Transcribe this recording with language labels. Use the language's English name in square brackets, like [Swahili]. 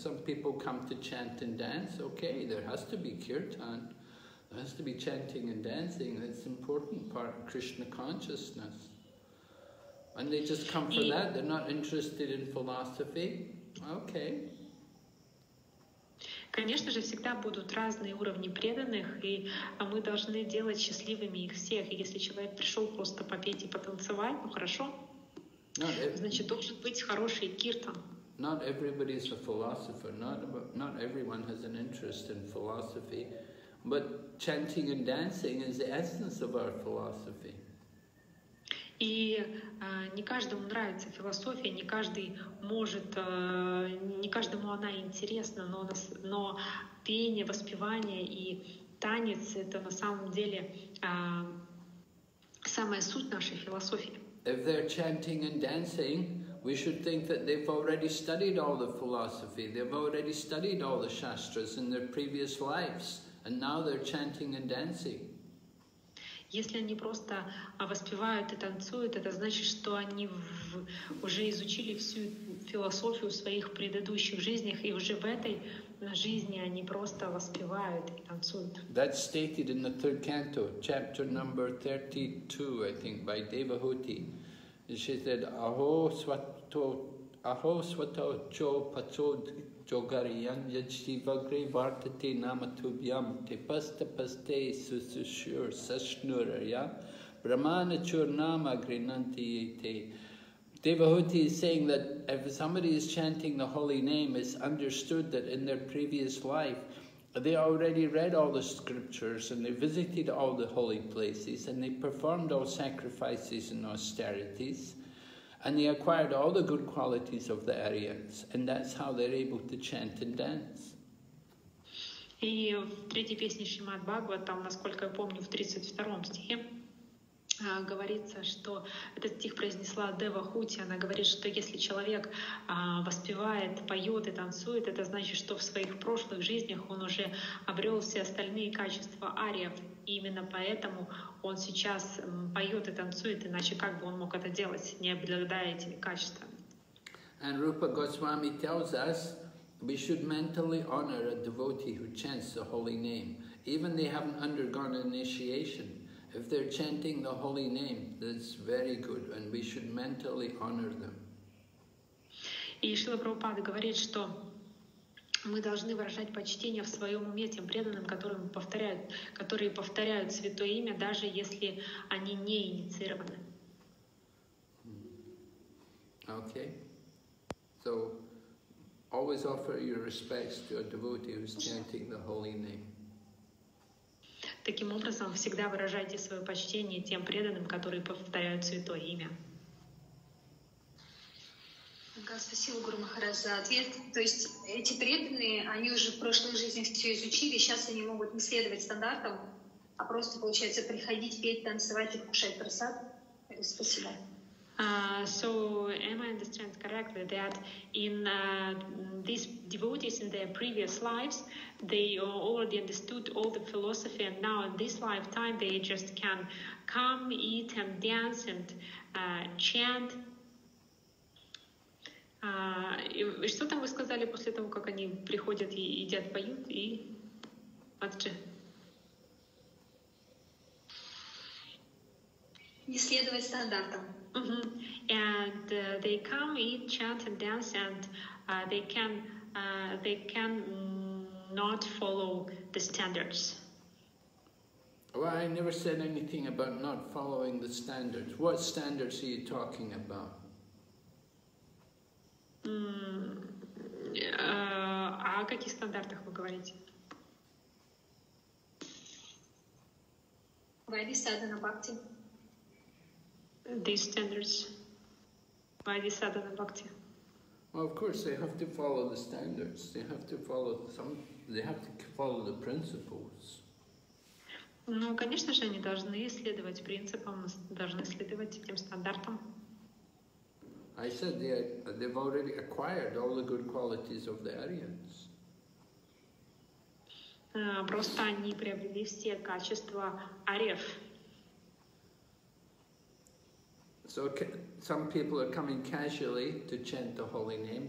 [English] Some people come to chant and dance, okay, there has to be kirtan. There has to be chanting and dancing. That's an important part of Krishna consciousness. And they just come for that, they're not interested in philosophy, okay. [Russian] Конечно же, всегда будут разные уровни преданных, и мы должны делать счастливыми их всех. Если человек пришел просто попеть и потанцевать, ну хорошо, значит, должен быть хороший киртан. [English] Not everybody is a philosopher, not everyone has an interest in philosophy, but chanting and dancing is the essence of our philosophy. [Russian] И не каждому нравится философия, не каждый может, не каждому она интересна, но пение, воспевание и танец – это на самом деле самая суть нашей философии. [English] If they're chanting and dancing, we should think that they've already studied all the philosophy, they've already studied all the shastras in their previous lives, and now they're chanting and dancing. [Russian] Если они просто воспевают и танцуют, это значит, что они уже изучили всю философию в своих предыдущих жизнях, и уже в этой жизни они просто воспевают и танцуют. [English] That's stated in the third canto, chapter number 32, I think, by Devahuti. And she said, [Sanskrit] Aho svato cho pachod chogariyan yajshivagre vartate namatubhyam te pasta paste susushur sashnuraya brahmanachur namagre nantiyete. [English] Devahuti is saying that if somebody is chanting the holy name, it's understood that in their previous life they already read all the scriptures and they visited all the holy places and they performed all sacrifices and austerities. And they acquired all the good qualities of the Aryans, and that's how they're able to chant and dance. [Russian] И в третьей песне Шримад Бхагава, там, насколько я помню, в 32 стихе говорится, что этот стих произнесла Девахути. Она говорит, что если человек воспевает, поет и танцует, это значит, что в своих прошлых жизнях он уже обрел все остальные качества ариев. И именно поэтому он сейчас поет и танцует, иначе как бы он мог это делать, не обладая этими качествами. [English] And Rupa Goswami tells us, we should mentally honor a devotee who chants the holy name. Even they haven't undergone initiation. If they're chanting the holy name, that's very good, and we should mentally honor them. [Russian] И Шрила Прабхупада говорит, что мы должны выражать почтение в своем уме тем преданным, которые повторяют святое имя, даже если они не инициированы. [English] Okay. So, always offer your respects to a devotee who's chanting the holy name. [Russian] Таким образом, всегда выражайте свое почтение тем преданным, которые повторяют святое имя. Спасибо, Гуру Махарадж, за ответ. То есть эти преданные, они уже в прошлой жизни все изучили, сейчас они могут не следовать стандартам, а просто, получается, приходить, петь, танцевать и кушать просад. Спасибо. [English] So, am I understand correct? that in these devotees in their previous lives, they already understood all the philosophy, and now in this lifetime, they just can come, eat, and dance, and chant. [Russian] И что там вы сказали после того, как они приходят и едят, поют, и отче? Не следовать стандартам. [English] And they come, eat, chant, and dance, and they can not follow the standards. Well, I never said anything about not following the standards. What standards are you talking about? [Russian] А о каких стандартах вы говорите? Вайди садхана бхакти. [English] These standards. Вайди садхана бхакти. Well, of course, they have to follow the standards. They have to follow some. They have to follow the principles. [Russian] Ну, конечно же, они должны следовать принципам, должны следовать этим стандартам. [English] I said they've already acquired all the good qualities of the Aryans. [Russian] Просто они приобрели все качества ариев. [English] So some people are coming casually to chant the holy name.